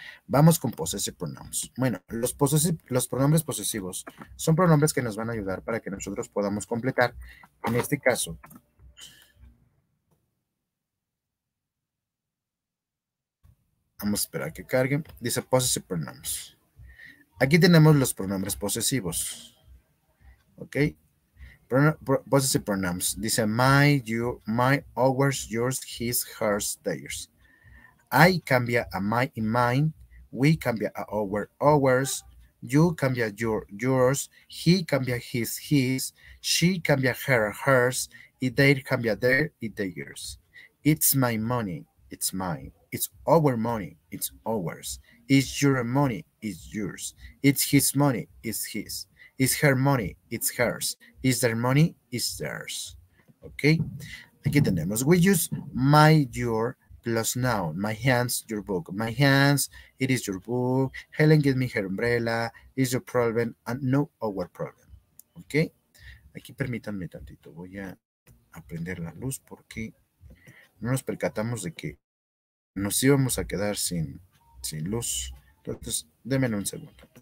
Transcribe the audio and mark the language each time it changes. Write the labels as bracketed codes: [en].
[es] Vamos con possessive pronouns. Bueno, los pronombres posesivos son pronombres que nos van a ayudar para que nosotros podamos completar. En este caso, vamos a esperar a que carguen. Dice possessive pronouns. Aquí tenemos los pronombres posesivos. [en] ¿Ok? Possessive pronouns. Dice my, you, my, ours, yours, his, hers, theirs. I cambia a my in mine. We cambia a ours. You cambia yours. He cambia his. She cambia hers. Y they cambia their y theirs. It's my money. It's mine. It's our money. It's ours. It's your money. It's yours. It's his money. It's his. Is her money? It's hers. Is their money? It's theirs. Okay. [es] Aquí tenemos. [en] We use my, your, plus noun. My hands, your book. My hands, it is your book. Helen, give me her umbrella. It's your problem and no our problem. ¿Ok? [es] Aquí permítanme tantito. Voy a aprender la luz porque no nos percatamos de que nos íbamos a quedar sin luz. Entonces, denme un segundo.